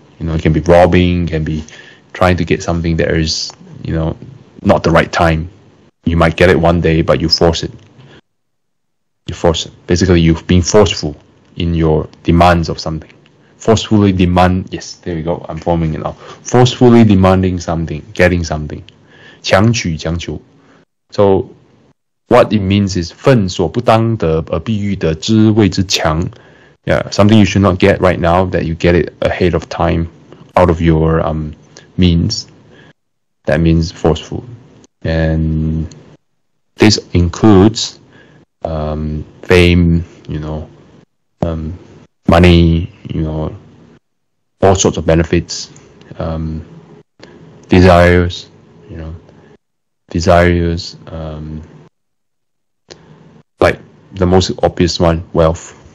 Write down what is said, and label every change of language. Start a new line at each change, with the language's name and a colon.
English: You know, it can be robbing, can be trying to get something that is, you know, not the right time. You might get it one day, but you force it. You force it. Basically, you've been forceful in your demands of something. Forcefully demand. Yes, there you go. I'm forming it now. Forcefully demanding something, getting something.
Chinese: 强取强求.
English: So, what it means is
Chinese: 分所不当得而必欲得之谓之强.
English: Yeah, something you should not get right now, that you get it ahead of time, out of your means, that means forceful. And this includes fame, you know, money, you know, all sorts of benefits, desires, you know, desires, like the most obvious one, wealth.